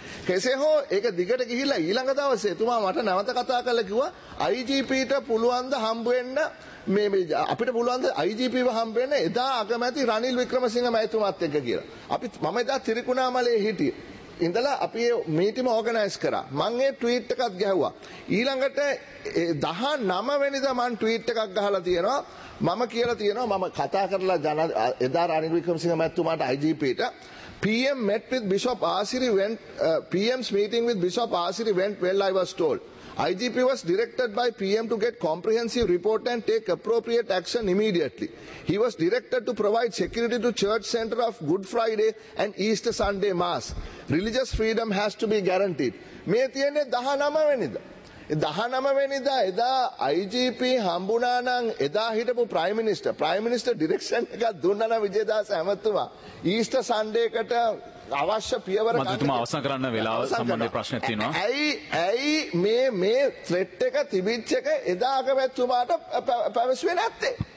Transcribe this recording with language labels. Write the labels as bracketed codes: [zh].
[si] කෙසේ හෝ ඒක දිගට ගිහිල්ලා ඊළඟ දවසේ එතුමා මට නැවත කතා කරලා කිව්වා IGP පුළුවන් ද හම්බ වෙන්න මේ අපිට පුළුවන් ද IGP ව හම්බ වෙන්න එදා අගමැති රනිල් වික්‍රමසිංහ මෛතුමත් එක්ක කියලා. අපි මම එදා ත්‍රිකුණාමලයේ හිටියේ. ඉඳලා අපි ඒ මීටිම ඕගනයිස් කරා. මම ඒ ට්වීට් එකක් ගැහුවා. ඊළඟට 19 වෙනිදා මම ට්වීට් එකක් ගහලා තියෙනවා. මම කියලා තියෙනවා මම කතා කරලා ජන එදා Ranil Wickremesinghe මෛතුමාට [en] IGP PM met with Bishop Asiri went PM's meeting with Bishop Asiri went well I was told. IGP was directed by PM to get comprehensive report and take appropriate action immediately. He was directed to provide security to church center of Good Friday and Easter Sunday mass. Religious freedom has to be guaranteed. [si] මේ තියන්නේ 19 වෙනිදා. 19 වෙනිදා එදා IGP හම්බුණා නම් එදා හිටපු prime minister direction එක දුන්නා නම් විජේදාස ඇමතුමා ඊස්ටර් සන්ඩේකට අවශ්‍ය පියවර ගන්න මම අවසන් කරන්න වෙලාව සම්බන්ධ ප්‍රශ්නයක් තියෙනවා. ඇයි මේ ත්‍රෙඩ් එක තිබිච්ච එක එදාක වැතුමාට පැවසුවේ නැත්තේ?